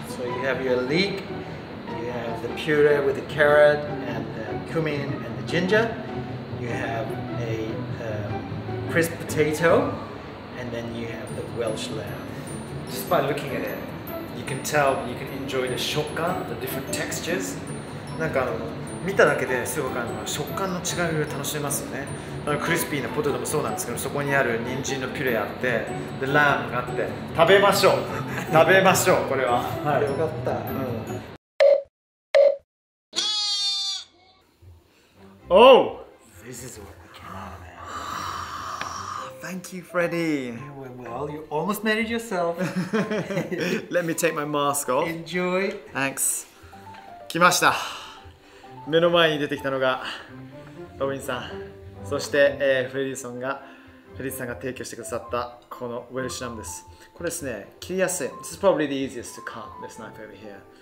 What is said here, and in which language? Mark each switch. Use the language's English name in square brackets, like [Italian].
[English] So you have your leek, you have the puree with the carrot and the cumin and the ginger, you have a crisp potato, and then you have the Welsh lamb. Just by looking at it, you can tell, you can enjoy the 食感, the different textures. [Japanese] なんか見ただけですごく食感の違いを楽しめますよね。クリスピーなポテトもそうなんですけど、そこにある人参のピュレあって、でラムがあって、食べましょう食べましょう、これは。はい、よかった。うん、Oh! [English] This is what we came out of, man. Thank you, Freddy! Well, you almost made it yourself. Let me take my mask off. Enjoy! [Japanese] Thanks. 来ました。目の前に出てきたのがロビンさん、そして、フレディソンが、フレディさんが提供してくださったこのウェルシュラムです。これですね、切りやすい。 [English] This is probably the easiest to cut this knife over here.